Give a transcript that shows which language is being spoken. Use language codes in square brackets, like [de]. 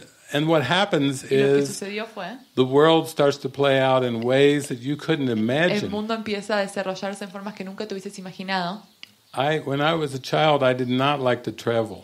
[en] And what happens is the world starts to play out in ways that you couldn't imagine. [es] El mundo empieza a desarrollarse en formas que nunca te hubieses imaginado. [en] When I was a child, I did not like to travel.